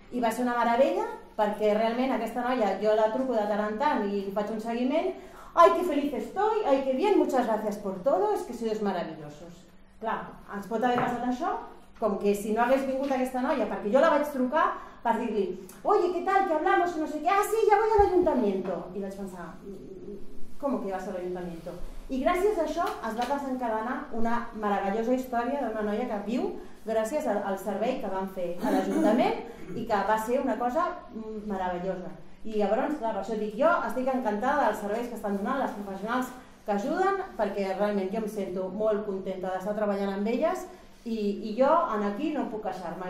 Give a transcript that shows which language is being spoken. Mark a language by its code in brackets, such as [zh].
[ca] I va ser una meravella perquè realment aquesta noia, jo la truco de tant en tant i faig un seguiment, [es] ai que feliz estoy, ay que bien, muchas gracias por todo, es que sois maravillosos. [ca] Clar, ens pot haver passat això, com que si no hagués vingut aquesta noia, perquè jo la vaig trucar per dir-li, [es] oye, ¿qué tal, que hablamos, no sé qué? Ah, sí, ya voy al ayuntamiento. [ca] I vaig pensar, [es] ¿cómo que vas al ayuntamiento? [ca] I gràcies a això es va desencadenar una meravellosa història d'una noia que viu gràcies al servei que vam fer a l'Ajuntament i que va ser una cosa meravellosa. I llavors, clar, per això dic, jo estic encantada dels serveis que estan donant les professionals que ajuden, perquè realment jo em sento molt contenta d'estar treballant amb elles i jo aquí no puc queixar-me.